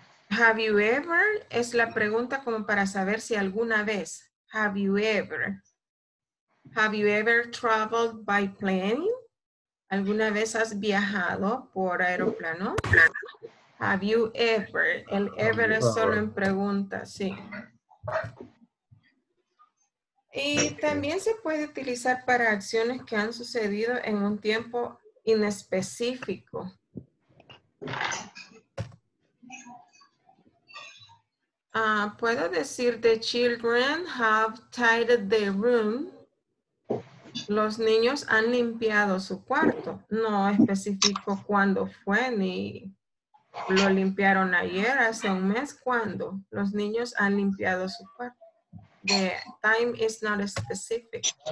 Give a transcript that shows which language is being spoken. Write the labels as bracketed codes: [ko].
[en] Have you ever [es] es la pregunta como para saber si alguna vez. [en] Have you ever traveled by plane? [es] ¿Alguna vez has viajado por aeroplano? [en] Have you ever? [es] El ever es solo en pregunta, sí. Y también se puede utilizar para acciones que han sucedido en un tiempo inespecífico. Puedo decir, [en] the children have tidied their room. [es] Los niños han limpiado su cuarto. No especifico cuándo fue ni lo limpiaron ayer, hace un mes, cuándo. Los niños han limpiado su cuarto. [en] The time is not specific.